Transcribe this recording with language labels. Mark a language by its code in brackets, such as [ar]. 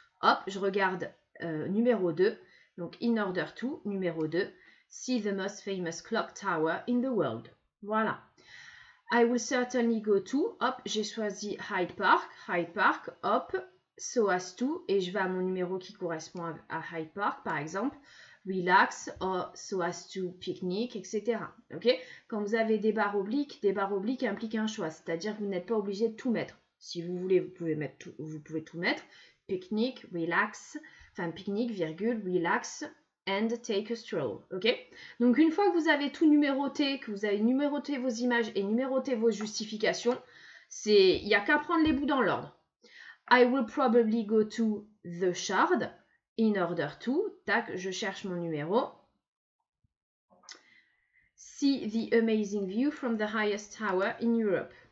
[fr] Hop, je regarde numéro 2, donc [en] in order to, [fr] numéro 2, [en] see the most famous clock tower in the world. Voilà. I will certainly go to, [fr] hop, j'ai choisi Hyde Park, hop, [en] so as to, [fr] et je vais à mon numéro qui correspond à Hyde Park, par exemple. [en] Relax, or so as to picnic, etc. Okay? [fr] Quand vous avez des barres obliques impliquent un choix, c'est-à-dire que vous n'êtes pas obligé de tout mettre. Si vous voulez, vous pouvez tout mettre. [en] Picnic, relax, [fr] enfin picnic, virgule, [en] relax, and take a stroll. [fr] Okay? Donc une fois que vous avez tout numéroté, que vous avez numéroté vos images et numéroté vos justifications, il n'y a qu'à prendre les bouts dans l'ordre. [en] I will probably go to the Shard. In order to, [fr] tac, je cherche mon numéro. [en] See the amazing view from the highest tower in Europe.